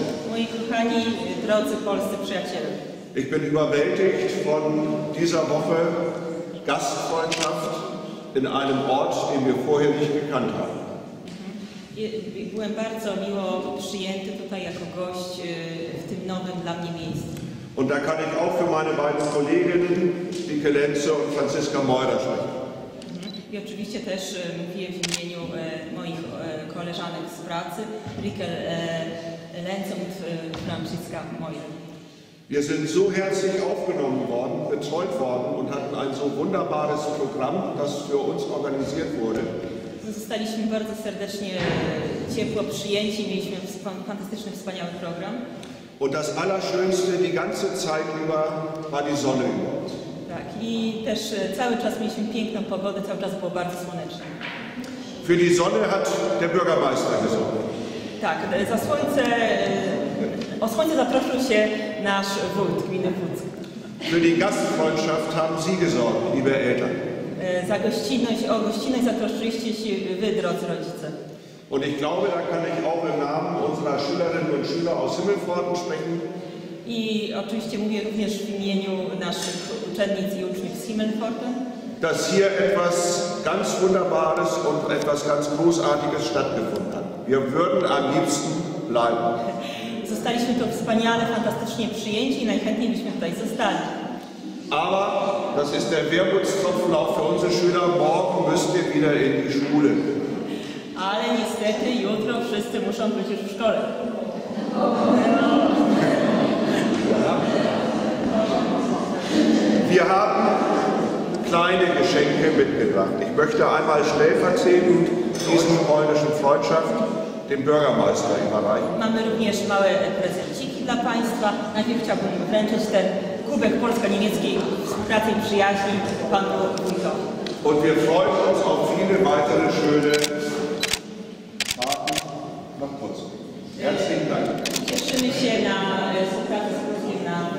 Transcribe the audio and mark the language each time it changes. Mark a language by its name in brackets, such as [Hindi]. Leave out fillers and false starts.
[Polish] Moi kochani, drodzy polscy przyjaciele. [German] Ich bin überwältigt von dieser Woche Gastfreundschaft in einem Ort, den wir vorher nicht gekannt haben. [Polish] Byłem bardzo miło przyjęty tutaj jako gość w tym nowym dla mnie miejscu. [German] Und da kann ich auch für meine beiden Kolleginnen, Vicky Lenze und Franziska Meurer, sprechen. [Polish] I oczywiście też mówię w imieniu moich koleżanek z pracy, Vicky Lenze und Franziska Meurer. [German] Wir sind so herzlich aufgenommen worden, betreut worden und hatten ein so wunderbares Programm, das für uns organisiert wurde. [Polish] Zostaliśmy bardzo serdecznie, ciepło przyjęci, mieliśmy fantastyczny, wspaniały program. [German] Und das Allerschönste die ganze Zeit über war die Sonne über uns. [Polish] Tak, i też cały czas mieliśmy piękną pogodę, cały czas było bardzo słoneczne. [German] Für die Sonne hat der Bürgermeister gesorgt. [Polish] Tak, za słońce, o słońce zaprosił się nasz wójt gminy Wódzki. [German] Für die Gastfreundschaft haben Sie gesorgt, liebe Eltern. [Polish] Za gościnność, o gościnność zatroszczyliście się wy, drodzy rodzice. [German] Und ich glaube, da kann ich auch im Namen unserer Schülerinnen und Schüler aus Himmelfort sprechen. [Polish] I oczywiście mówię również w imieniu naszych uczennic i uczniów z Himmelfortu. [German] Dass hier etwas ganz Wunderbares und etwas ganz Großartiges stattgefunden hat. Wir würden am liebsten bleiben. [Polish] Zostaliśmy to wspaniale, fantastycznie przyjęci i najchętniej byśmy tutaj zostali. [German] Aber das ist der Wermutstropfen auch für unsere Schüler. Morgen müssen wir wieder in die Schule. [Polish] Ale niestety jutro wszyscy muszą być już w szkole. [German] Wir haben kleine Geschenke mitgebracht. Ich möchte einmal stellvertretend diesen polnischen Freundschaft dem Bürgermeister überreichen. [Polish] Mamy również małe prezenciki dla Państwa. Najpierw chciałbym wręczyć ten Kubek polsko-niemieckiej współpracy i przyjaźni panu wójtowi. [German] Und wir freuen uns auf viele weitere schöne Fahrten nach Potsdam. Herzlichen Dank. [Polish] Cieszymy się na współpracę z Polskiem na.